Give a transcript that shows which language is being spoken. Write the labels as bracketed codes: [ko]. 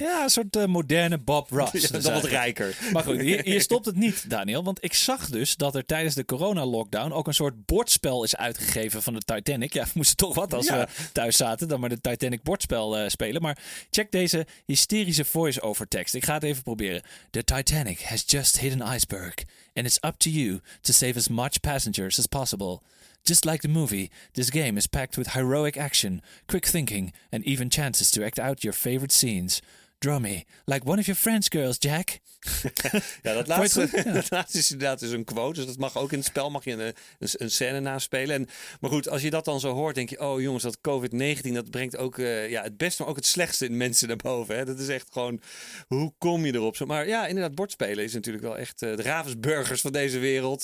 [nl] Ja, een soort moderne Bob Ross. Ja, dan wat rijker. Maar goed, hier stopt het niet, Daniel. Want ik zag dus dat er tijdens de corona-lockdown ook een soort bordspel is uitgegeven van de Titanic. Ja, we moesten toch wat als we thuis zaten. Dan maar de Titanic bordspel spelen. Maar check deze hysterische voice-over tekst. Ik ga het even proberen. [en] The Titanic has just hit an iceberg. And it's up to you to save as much passengers as possible. Just like the movie, this game is packed with heroic action, quick thinking, and even chances to act out your favorite scenes. drummy. Like one of your French girls, Jack. [nl] Ja, dat laatste, dat laatste is inderdaad is een quote. Dus dat mag ook in het spel. Mag je een scène naspelen. En, maar goed, als je dat dan zo hoort, denk je... Oh jongens, dat COVID-19, dat brengt ook ja, het beste... maar ook het slechtste in mensen naar boven. Hè? Dat is echt gewoon... Hoe kom je erop? Maar ja, inderdaad, bordspelen is natuurlijk wel echt... de Ravensburgers van deze wereld.